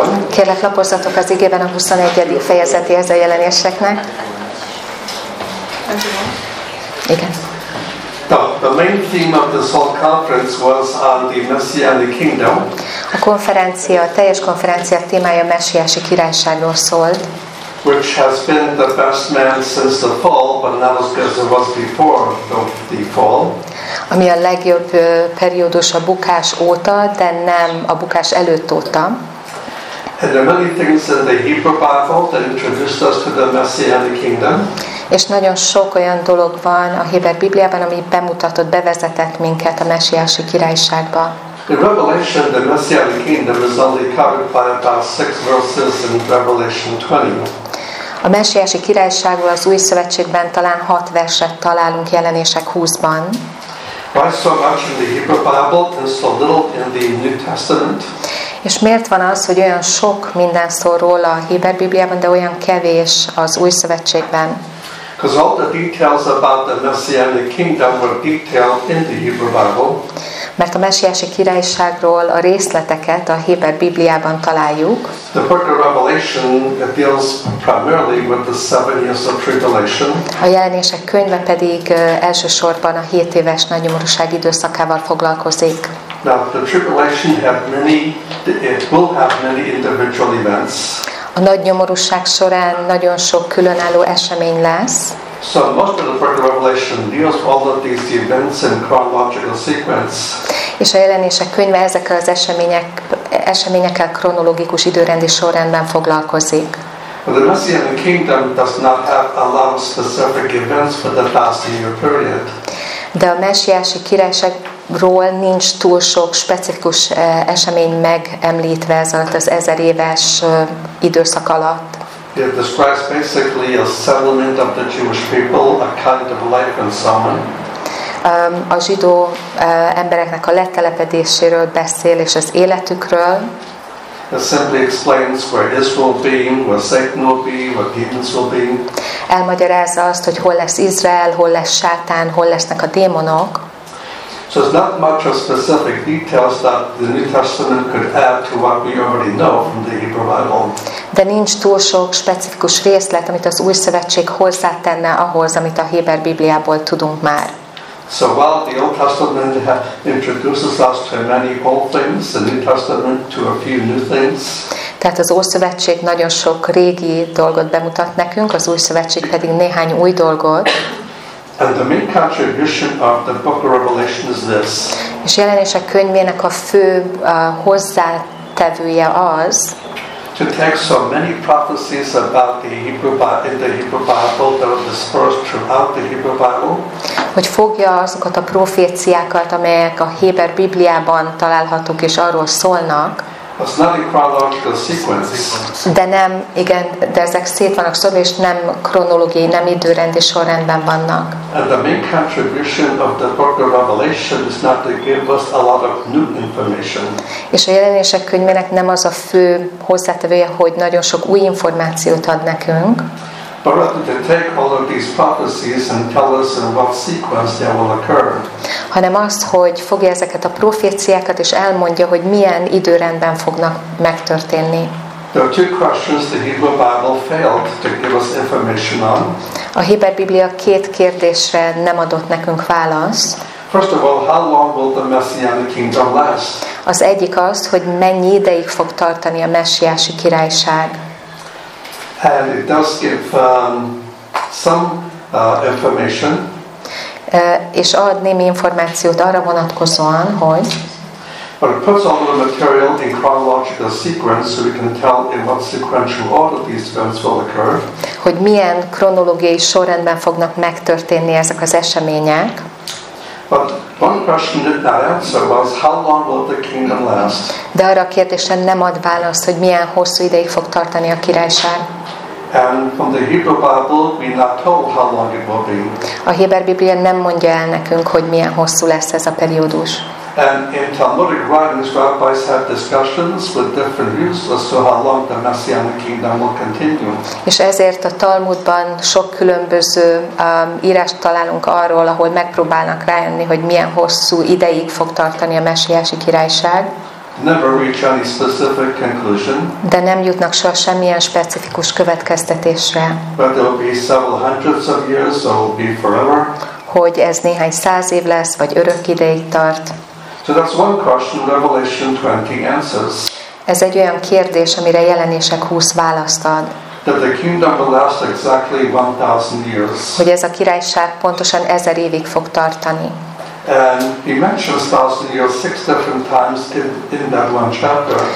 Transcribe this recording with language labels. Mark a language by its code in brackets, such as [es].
[hu] Kérlek, lapozzatok az igében a 21. fejezetéhez a jelenéseknek. Igen. [en] The main theme of this whole conference was on the Messianic Kingdom. [hu] A konferencia, a teljes konferencia témája messiási királyságról szólt. [en] Which has been the best man since the fall, but not as good as it was before the fall. [hu] Ami a legjobb periódus a bukás óta, de nem a bukás előtt óta. [en] And there are many things in the Hebrew Bible that introduced us to the Messianic Kingdom. [hu] És nagyon sok olyan dolog van a Héber Bibliában, ami bemutatott, bevezetett minket a messiási királyságba. [en] The Revelation, the Messianic Kingdom is only covered by about 6 verses in Revelation 20. [hu] A messiási királyságról az Új Szövetségben talán 6 verset találunk Jelenések 20-ban. [en] Why so much in the Hebrew Bible and so little in the New Testament? [hu] És miért van az, hogy olyan sok minden szól róla a Héber Bibliában, de olyan kevés az Új Szövetségben? [en] Because all the details about the Messianic Kingdom were detailed in the Hebrew Bible. [hu] Mert a messiási királyságról a részleteket a Héber Bibliában találjuk. [en] The book of Revelation deals primarily with the 7 years of tribulation. [hu] A Jelenések könyve pedig elsősorban a 7 éves nagy nyomorúság időszakával foglalkozik. [en] Now the tribulation had many, it will have many individual events. [hu] A nagy nyomorúság során nagyon sok különálló esemény lesz. [en] So most of the book of Revelation deals all of these events in chronological sequence. [hu] És a Jelenések könyve ezekkel az eseményekkel kronológikus időrendi sorrendben foglalkozik. [en] But the Messianic Kingdom does not have a lot of specific events for the thousand year period. [hu] De a messiási királyságról nincs túl sok specifikus esemény megemlítve ez alatt az 1000 éves időszak alatt. [en] It describes basically a settlement of the Jewish people, a kind of life in someone. [hu] A zsidó embereknek a letelepedéséről beszél és az életükről. [en] It simply explains where Israel will be, where Satan will be, where demons will be. [hu] Elmagyarázza azt, hogy hol lesz Izrael, hol lesz Sátán, hol lesznek a démonok. [en] So it's not much of specific details that the New Testament could add to what we already know from the Hebrew Bible. [hu] De nincs túl sok specifikus részlet, amit az Új Szövetség hozzátenne ahhoz, amit a Héber Bibliából tudunk már. [en] So while the Old Testament introduces us to many old things, the New Testament to a few new things. [hu] Tehát az Ószövetség nagyon sok régi dolgot bemutat nekünk, az Új Szövetség pedig néhány új dolgot. [en] And the main contribution of the book of Revelation is this. [hu] És Jelenések könyvének a fő hozzátevője az, [en] to take so many prophecies about the Hebrew Bible, in the Hebrew Bible that are dispersed throughout the Hebrew Bible. [hu] Hogy fogja azokat a proféciákat, amelyek a Héber Bibliában találhatók és arról szólnak. [en] It's not in chronological sequence. [hu] De nem, igen, de ezek szét vannak szorva, és nem kronológiai, nem időrendi sorrendben vannak. [en] And the main contribution of the book of Revelation is not to give us a lot of new information. [hu] És a Jelenések könyvének nem az a fő hozzátevője, hogy nagyon sok új információt ad nekünk. [en] But rather to take all of these prophecies and tell us in what sequence they will occur. [hu] Hanem az, hogy fogja ezeket a proféciákat és elmondja, hogy milyen időrendben fognak megtörténni. [en] There are two questions the Hebrew Bible failed to give us information on. [hu] A Héber Biblia két kérdésre nem adott nekünk választ. [en] First of all, how long will the Messianic Kingdom last? [hu] Az egyik az, hogy mennyi ideig fog tartani a messiási királyság. [en] And it does give some information. [hu] És ad némi információt arra vonatkozóan, hogy. [en] But it puts all the material in chronological sequence, so we can tell in what sequential order these events will occur. [hu] Hogy milyen kronológiai sorrendben fognak megtörténni ezek az események. [en] But one question did not answer was how long will the kingdom last? [hu] De arra a kérdésen nem ad választ, hogy milyen hosszú ideig fog tartani a királyság. [en] And from the Hebrew Bible, we're not told how long it will be. [hu] A Héber Biblia nem mondja el nekünk, hogy milyen hosszú lesz ez a periódus. [en] And in Talmudic writings, rabbis have discussions with different views as to how long the Messianic kingdom will continue. [hu] És ezért a Talmudban sok különböző írást találunk arról, ahol megpróbálnak rájönni, hogy milyen hosszú ideig fog tartani a messiási királyság. [en] Never reach any specific conclusion. [hu] De nem jutnak soha semmilyen specifikus következtetésre. [en] But there will be several hundreds of years, or will be forever. [hu] Hogy ez néhány száz év lesz, vagy örök ideig tart. [en] So that's one question Revelation 20 answers. [hu] Ez egy olyan kérdés, amire Jelenések 20 választ ad. [en] That the kingdom will last exactly 1,000 years. [hu] Hogy ez a királyság pontosan 1000 évig fog tartani. [en] And he mentions 1,000 years 6 different times in that one chapter.